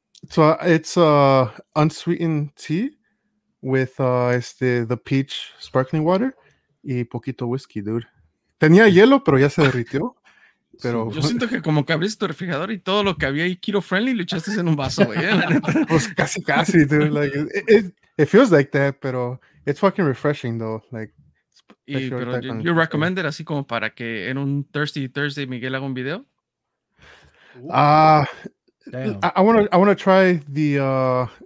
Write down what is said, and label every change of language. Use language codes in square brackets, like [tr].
[en] So it's unsweetened tea with the peach sparkling water. [es] Y poquito whisky, dude. Tenía hielo, pero ya se derritió. Pero sí, yo siento que como que abriste tu refrigerador y todo lo que había ahí, [en] keto friendly, [es] lo echaste en un vaso, güey. Pues casi, casi, dude. [en] Like, it feels like that, [es] pero [en] it's fucking refreshing, though. Like, [es] y, pero [en] you recommended [es] así como para que en un Thirsty Thursday Miguel haga un video? [en] I want to try the...